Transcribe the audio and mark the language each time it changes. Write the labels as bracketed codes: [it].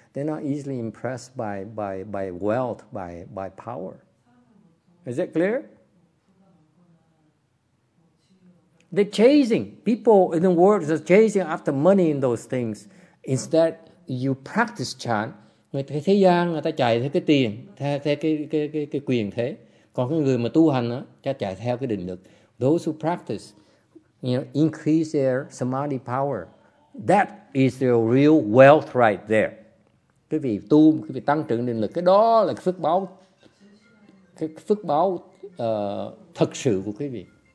[en] They're not easily impressed by wealth, by power. Is that clear? They're chasing people in the world is chasing after money and those things. Instead, you practice chan. [vi] Người thế gian người ta chạy theo cái tiền, theo cái quyền thế. Còn cái người mà tu hành á, ta chạy theo cái định lực. [en] Those who practice, you know, increase their samadhi power. That is their real wealth right there. [vi] Quý vị tu, quý vị tăng trưởng định lực, cái đó là cái phước báo thật sự của quý vị.